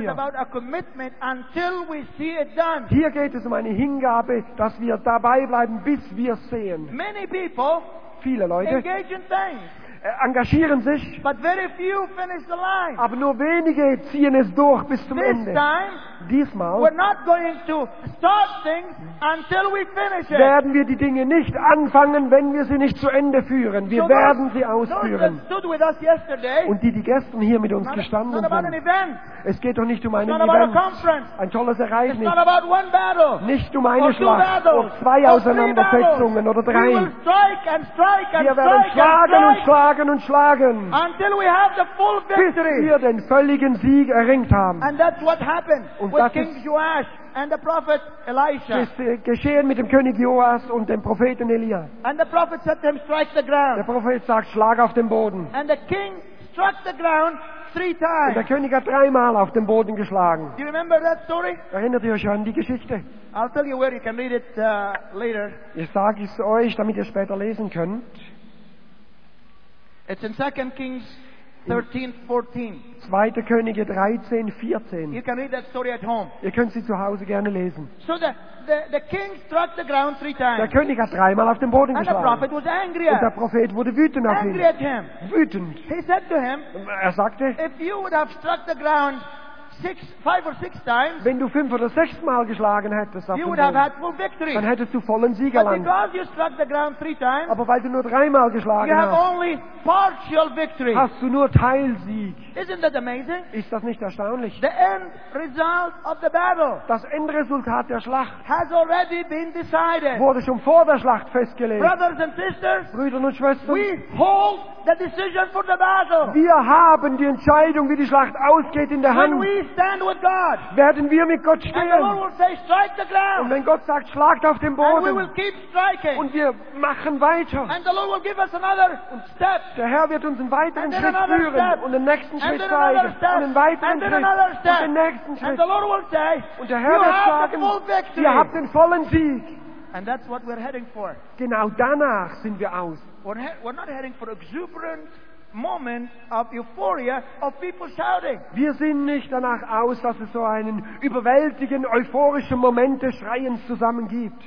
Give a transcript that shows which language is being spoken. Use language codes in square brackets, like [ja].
[en] is about a commitment until we see it done. [de] Hier geht es um eine Hingabe, dass wir dabei bleiben, bis wir es sehen. [en] Many people, [de] viele Leute, [en] engage in things, [de] engagieren sich, [en] but very few finish the line. [de] Aber nur wenige ziehen es durch bis zum [en] this [de] Ende. [en] Time, [de] diesmal [en] we're not going to start things until we finish it. [de] Werden wir die Dinge nicht anfangen, wenn wir sie nicht zu Ende führen. Wir [en] so [de] werden sie ausführen. [en] Those that stood with us yesterday, [de] und die gestern hier mit uns gestanden sind, es geht doch nicht um einen [en] it's not [de] Event, [en] about a conference. [de] Ein tolles Ereignis, [en] it's not about one battle, [de] nicht um eine Schlacht, [en] battles, [de] oder zwei Auseinandersetzungen, oder drei. [en] We will strike and strike and [de] wir werden schlagen und schlagen. Und schlagen, [en] until we have the full victory. [de] Bis wir den völligen Sieg erringt haben. [en] And that's what happened [de] und [en] with [de] das [en] King Joash and the prophet Elisha. [de] Ist geschehen mit dem König Joas und dem Propheten Elia. [en] And the prophet said to him, strike the ground. [de] Der Prophet sagt, schlag auf den Boden. [en] And the king struck the ground three times. [de] Und der König hat dreimal auf den Boden geschlagen. [en] Do you remember that story? [de] Erinnert ihr euch an die Geschichte? [en] I'll tell you where you can read it later. [de] Ich sage es euch, damit ihr später lesen könnt. [en] It's in 2 Kings 13, 14. [de] 2. Könige 13, 14. [en] You can read that story at home. [de] Ihr könnt sie zu Hause gerne lesen. [en] So the king struck the ground three times. [de] Der König hat dreimal auf den Boden [en] and [de] geschlagen. [en] The prophet was angry. [de] Und der Prophet wurde wütend [en] angry [de] auf ihn. [en] At him. [de] Wütend. [en] He said to him, [de] er sagte, [en] if you would have struck the ground five or six times, [de] wenn du fünf oder sechs Mal geschlagen hättest, [en] you would have had full victory. [de] Dann hättest du vollen Sieg erlangt. [en] But because you struck the ground three times, [de] aber weil du nur dreimal geschlagen [en] you [de] hast, [en] have only partial victory. [de] Hast du nur Teilsieg. [en] Isn't that amazing? [de] Ist das nicht erstaunlich? [en] The end result of the battle, [de] das Endresultat der Schlacht, [en] has already been decided. [de] Wurde schon vor der Schlacht festgelegt. [en] Brothers and sisters, [de] Brüder und Schwestern, [en] we hold the decision for the battle. [de] Wir haben die Entscheidung, wie die Schlacht ausgeht, in der [en] when [de] Hand. [en] Stand with God. [de] Werden wir mit Gott stehen. [en] And the Lord will say, strike the ground. [de] Und wenn Gott sagt, schlagt auf den Boden. [en] And we will keep striking. [de] Und wir machen weiter. [en] And the Lord will give us another step. [de] Der Herr wird uns einen weiteren Schritt führen. [en] Step. [de] Und den nächsten [en] and [de] Schritt zeigen. Und den weiteren Schritt. [en] Step. [de] Und den nächsten Schritt. [en] And the Lord will say, [de] und der Herr [en] you [de] wird [en] have [de] sagen, [en] the full victory. [de] Ihr habt den vollen Sieg. [en] And that's what we're heading for. [de] Genau danach sind wir aus. [en] We're not heading for exuberant moment of euphoria of people shouting. [de] Wir sehen nicht danach aus, dass es so einen überwältigenden euphorischen Moment des Schreiens zusammen gibt.